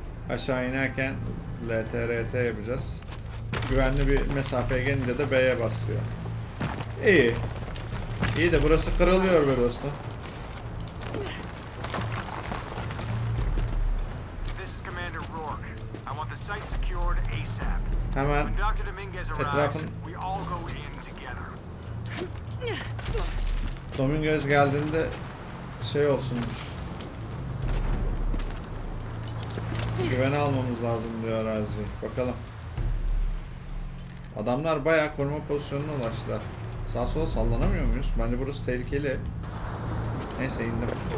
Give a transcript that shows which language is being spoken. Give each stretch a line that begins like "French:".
Turkish: Aşağı inerken LTRT yapacağız. Güvenli bir mesafeye gelince de B'ye basıyor. İyi. İyi de burası kırılıyor be dostum.
English: This is Commander Rourke. I want the site secured ASAP.
Turkish: Hemen
English: Dr. Dominguez arrives, we all go in together.
Turkish: Dominguez geldiğinde şey olsunmuş. Güvene almamız lazım diyor arazi. Bakalım. Adamlar bayağı koruma pozisyonuna ulaştılar. Sağ sola sallanamıyor muyuz? Bence burası tehlikeli. Neyse indim.